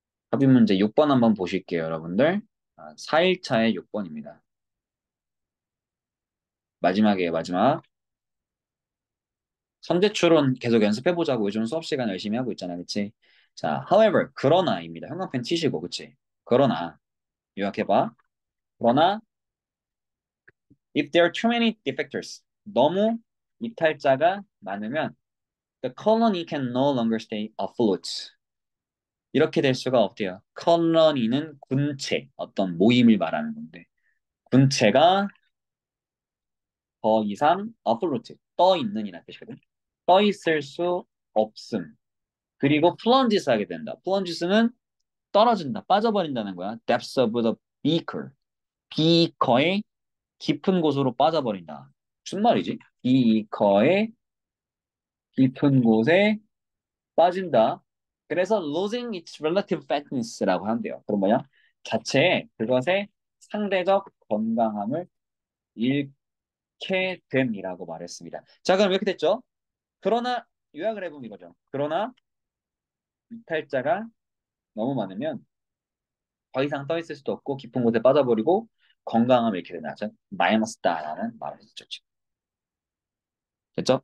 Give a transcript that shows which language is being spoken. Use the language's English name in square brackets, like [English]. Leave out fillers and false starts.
[Korean] 삽입 문제 6번 한번 보실게요, 여러분들. 4일차의 6번입니다. 마지막이에요, 마지막. 선제출원 계속 연습해보자고. 요즘 수업 시간 열심히 하고 있잖아, 그치? 자, however, 그러나입니다. 형광펜 치시고, 그치? 그러나. 요약해봐. 그러나, [English] if there are too many defectors. [Korean] 너무 이탈자가 많으면 [English] the colony can no longer stay afloat. [Korean] 이렇게 될 수가 없대요. colony는 군체, 어떤 모임을 말하는 건데 군체가 더 이상 afloat, 떠 있는이라는 뜻이거든. 떠 있을 수 없음. 그리고 plunges 하게 된다. plunges는 떨어진다, 빠져버린다는 거야. [English] depths of the beaker. [Korean] 비커의 깊은 곳으로 빠져버린다. 무슨 말이지? 비커의 깊은 곳에 빠진다. 그래서 [English] losing its relative fatness [Korean] 라고 한대요. 그럼 뭐냐? 자체 그것의 상대적 건강함을 잃게 됨이라고 말했습니다. 자, 그럼 이렇게 됐죠? 그러나 요약을 해보면 이거죠. 그러나 이탈자가 너무 많으면 더 이상 떠 있을 수도 없고 깊은 곳에 빠져버리고 건강함을 잃게 되는 아주 마이너스다라는 말을 했죠. 됐죠?